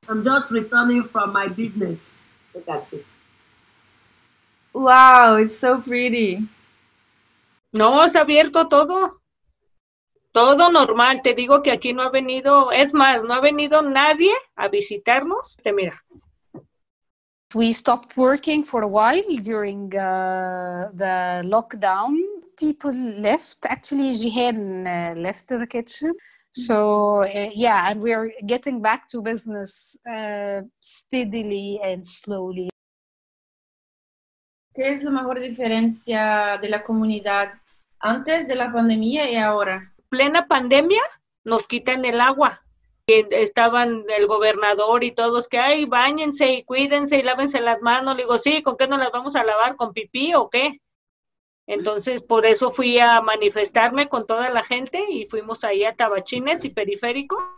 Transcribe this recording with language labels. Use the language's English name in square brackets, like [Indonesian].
[English] I'm just returning from my business. Wow, it's so pretty. [Spanish] No, se ha abierto todo. Todo normal. Te digo que aquí no ha venido, es más, no ha venido nadie a visitarnos. Te mira. [English] We stopped working for a while during the lockdown. People left. Actually, Jihane left the kitchen. So yeah, and we are getting back to business steadily and slowly. [Spanish] ¿Qué es la mejor diferencia de la comunidad antes de la pandemia y ahora? Plena pandemia, nos quitan el agua. Estaban el gobernador y todos que, ay, báñense y cuídense y lávense las manos. Le digo, sí, ¿con qué nos las vamos a lavar? ¿Con pipí o qué? Entonces, por eso fui a manifestarme con toda la gente y fuimos ahí a Tabachines y Periférico.